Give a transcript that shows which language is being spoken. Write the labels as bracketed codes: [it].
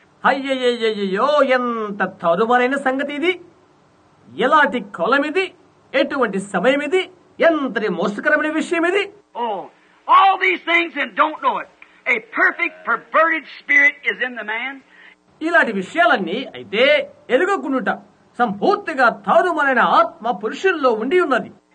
[te] అయ్యయ్యో ఎంత తరుమలైన సంగతి ఇది, ఎలాంటి కొలం ఇది, ఎటువంటి సమయం ఇది, ఎంతటి మోసకరమైన విషయం ఇది. [en] All these things and don't know it. A perfect perverted spirit is in the man. [te] ఇలాంటి విషయాలన్నీ అయితే ఎరుగుకుంటుట సంపూర్తిగా తారుమలైన ఆత్మ పురుషుల్లో ఉండి ఉన్నది.